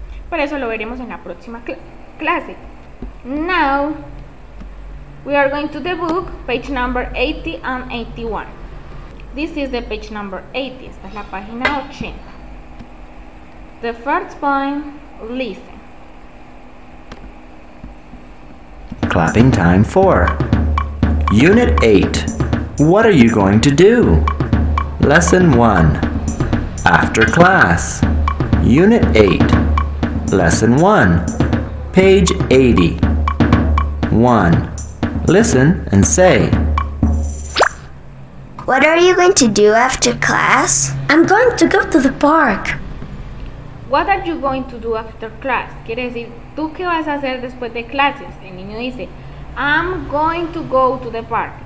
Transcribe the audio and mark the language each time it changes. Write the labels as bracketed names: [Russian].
[Spanish] Pero eso lo veremos en la próxima clase. [English] Now, we are going to the book, page number 80 and 81. This is the page number 80. [Spanish] Esta es la página 80. [English] The first point, listen. Clapping time 4. Unit 8. What are you going to do? Lesson 1. After class. Unit 8. Lesson 1. Page 80. 1. Listen and say. What are you going to do after class? I'm going to go to the park. What are you going to do after class? [Spanish] Quiere decir, ¿tú qué vas a hacer después de clases? El niño dice, [English] I'm going to go to the park.